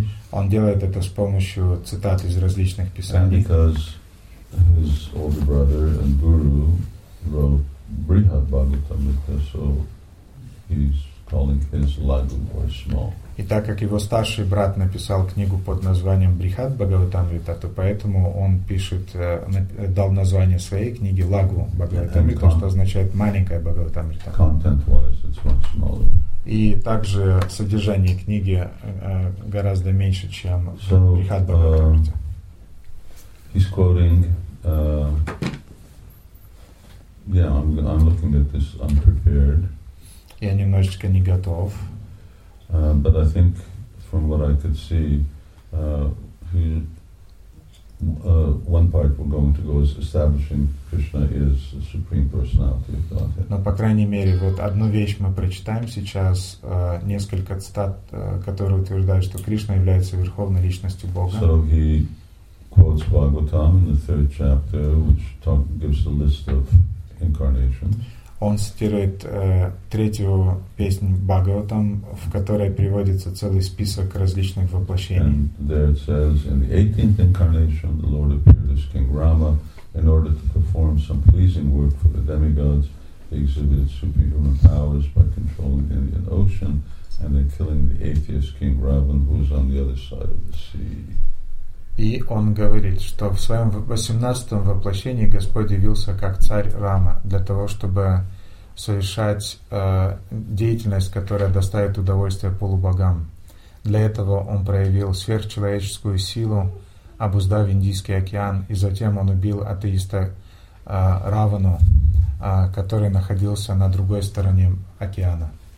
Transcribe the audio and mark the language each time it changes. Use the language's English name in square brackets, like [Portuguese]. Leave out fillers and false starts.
[Russian] Он делает это с помощью цитат из различных писаний. [English] His older brother and guru wrote Brihad Bhagavatamrita, so he's calling his lagu very small. [Russian] И так как его старший брат написал книгу под названием Брихад Бхагаватамрита, то поэтому он пишет, дал название своей книге Лагу Бхагаватамрита, что означает маленькая Бхагаватамрита. [English] Content-wise, it's much smaller. [Russian] И также содержание книги гораздо меньше, чем Брихад Бхагаватамрита. [English] He's quoting. I'm looking at this unprepared. [Russian] Я немножечко не готов. [English] But I think, from what I could see, one part we're going to go is establishing Krishna is the supreme personality of Godhead. [Russian] Но по крайней мере вот одну вещь мы прочитаем сейчас несколько цитат, которые утверждают, что Кришна является верховной личностью Бога. [English] So he quotes Bhagavatam in the third chapter, which gives a list of incarnations. [Russian] Он цитирует третью песню Бхагаватам, в которой приводится целый список различных воплощений. [English] And there it says, in the 18th incarnation, the Lord appeared as King Rama in order to perform some pleasing work for the demigods. He exhibited superhuman powers by controlling the Indian Ocean and then killing the atheist King Ravan, who was on the other side of the sea. [Russian] И он говорит, что в своем 18-м воплощении Господь явился как царь Рама для того, чтобы совершать деятельность, которая доставит удовольствие полубогам. Для этого он проявил сверхчеловеческую силу, обуздав Индийский океан, и затем он убил атеиста Равану, который находился на другой стороне океана.